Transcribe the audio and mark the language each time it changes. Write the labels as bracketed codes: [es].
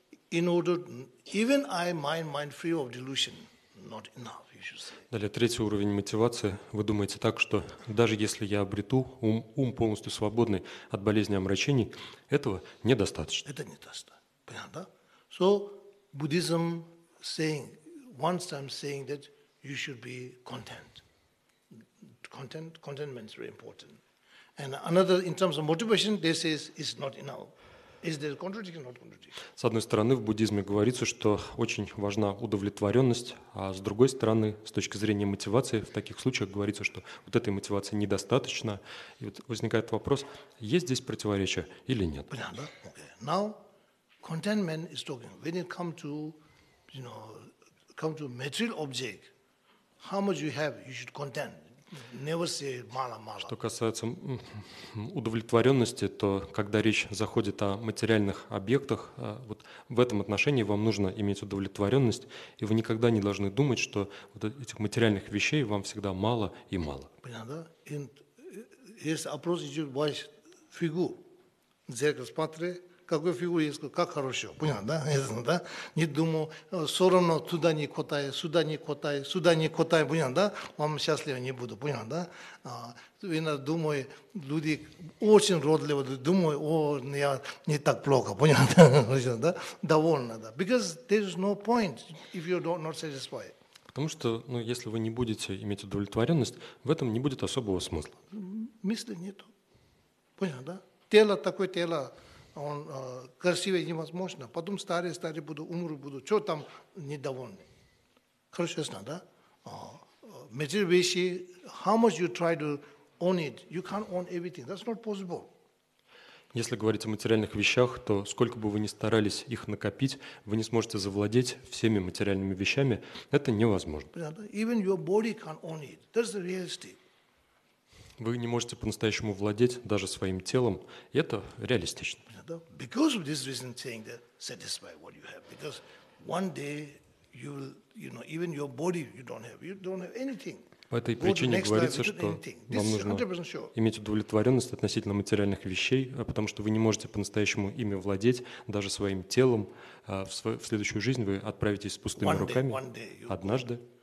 [en] In order, even I mind free of delusion, not enough. You should say. [ru] Далее третий уровень мотивации. Вы думаете так, что даже если я обрету ум полностью свободный от болезни омрачений, этого недостаточно. Это недостаточно. Понятно, да? [en] So Buddhism saying once I'm saying that you should be content. Contentment is very important. And another in terms of motivation, they say is not enough. Is there contradiction or not contradiction? [ru] С одной стороны, в буддизме говорится, что очень важна удовлетворенность, а с другой стороны, с точки зрения мотивации, в таких случаях говорится, что вот этой мотивации недостаточно. И вот возникает вопрос, есть здесь противоречие или нет? Понятно, да? [en] Okay. Now, contentment is talking. When it comes to, you know, come to material object, how much you have, you should content. Never say [ru] мало-мало. Что касается удовлетворенности, то когда речь заходит о материальных объектах, вот в этом отношении вам нужно иметь удовлетворенность, и вы никогда не должны думать, что вот этих материальных вещей вам всегда мало и мало. Понятно, да? Если вопрос идет в вашу фигуру, зеркало смотри, какую фигуру есть, как хорошо, понятно, да? Не думаю, все равно туда не хватает, сюда не хватает, сюда не хватает, понятно, да? Вам счастливо не буду, понятно, да? Думаю, люди очень родливо думают, о, я не так плохо, понятно, да? Довольно, да? [en] Because there is no point if you are not satisfied. [ru] Потому что, ну, если вы не будете иметь удовлетворенность, в этом не будет особого смысла. Мысли нету, понятно, да? Тело такое тело. Он красивый невозможно. Потом старый буду, умру буду. Чего там недовольный? [en] consciousness, да? Material вещи, how much you try to own it, you can't own everything. That's not possible. [ru] Если говорить о материальных вещах, то сколько бы вы ни старались их накопить, вы не сможете завладеть всеми материальными вещами. Это невозможно. [en] Even your body can't own it. That's the reality. [ru] Вы не можете по-настоящему владеть даже своим телом. И это реалистично. [en] Because of this reason, saying that satisfy what you have, because one day you will, you know, even your body you don't have anything. [ru] По этой причине говорится, что вам нужно иметь удовлетворенность относительно материальных вещей, потому что вы не можете по-настоящему ими владеть, даже своим телом. В следующую жизнь вы отправитесь с пустыми руками. Однажды.